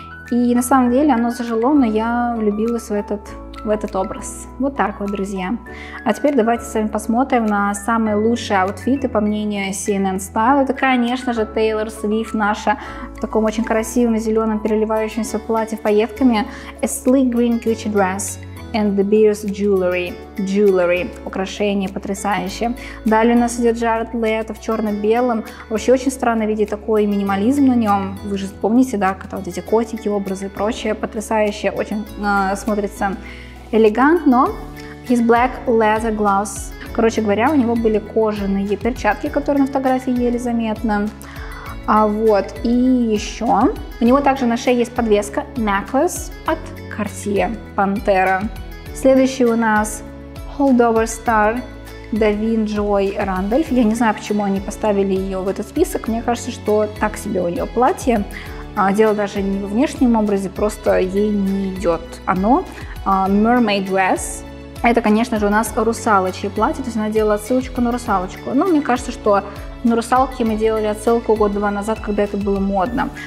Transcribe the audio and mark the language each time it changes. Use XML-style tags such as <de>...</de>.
<ru>И на самом деле оно зажило, но я влюбилась в этот образ. Вот так вот, друзья. А теперь давайте с вами посмотрим на самые лучшие аутфиты, по мнению CNN Style. Это, конечно же, Taylor Swift, наша в таком очень красивом зеленом переливающемся платье с пайетками.</ru> <en>A sleek green Gucci dress and the Beers jewelry. Jewelry.</en> <ru>Украшения потрясающие. Далее у нас идет Jared Leto в черно-белом. Вообще очень странно видеть такой минимализм на нем. Вы же помните, да, когда вот эти котики, образы и прочее. Потрясающе. Очень смотрится элегантно.</ru> <en>His black leather gloves.</en> <ru>Короче говоря, у него были кожаные перчатки, которые на фотографии еле заметны. А вот. И еще. У него также на шее есть подвеска. Necklace от Cartier Pantera. Следующий у нас</ru> <en>Holdover Star</en> <ru>Davin Joy Randolph. Я не знаю, почему они поставили ее в этот список. Мне кажется, что так себе у нее платье. Дело даже не во внешнем образе, просто ей не идет оно.</ru> <en>Mermaid Dress.</en> <ru>Это, конечно же, у нас русалочье платье. То есть она делала отсылочку на русалочку. Но мне кажется, что на русалке мы делали отсылку год-два назад, когда это было модно.</ru>